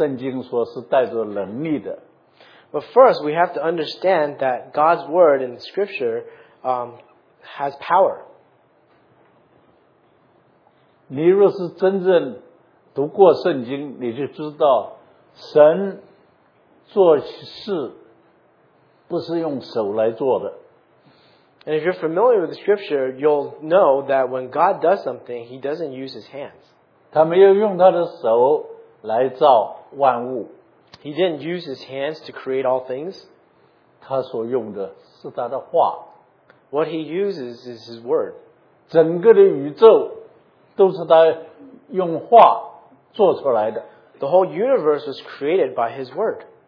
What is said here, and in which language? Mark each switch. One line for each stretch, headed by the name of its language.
Chinese: 首先我们要了解神的话,圣经说是带着能力的。
English: But first, we have to understand that God's Word in Scripture has power.
Chinese: 你若是真正读过圣经, 你就知道神做事不是用手来做的。
English: And if you're familiar with the Scripture, you'll know that when God does something, He doesn't use His hands.
Chinese: 他没有用他的手来造万物。
English: He didn't use his hands to create all things.
Chinese: 他所用的是他的话。
English: What he uses is his word.
Chinese: 整个的宇宙都是他用话做出来的。
English: The whole universe was created by his word.